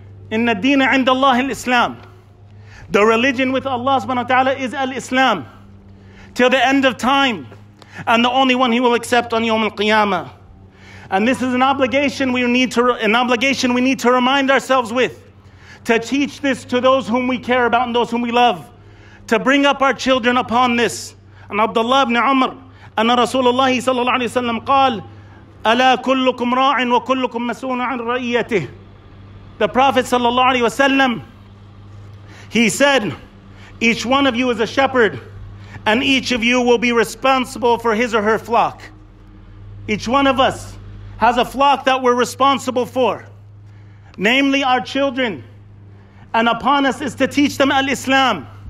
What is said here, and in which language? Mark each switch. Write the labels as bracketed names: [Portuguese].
[Arabic] Inna deena 'inda Allah al-Islam. [English] The religion with Allah subhanahu wa ta'ala is al-Islam. Till the end of time. And the only one he will accept on Yawm al-Qiyamah. And this is an obligation we need to remind ourselves with. To teach this to those whom we care about and those whom we love. To bring up our children upon this. [Arabic] And Abdullah ibn Umar, أن رسول الله صلى الله عليه وسلم قال ألا كلكم راع وكلكم مسؤول عن رعيته. [English] The Prophet [Arabic] صلى الله عليه وسلم, [English] he said, each one of you is a shepherd and each of you will be responsible for his or her flock. Each one of us has a flock that we're responsible for, namely our children, and upon us is to teach them al-Islam.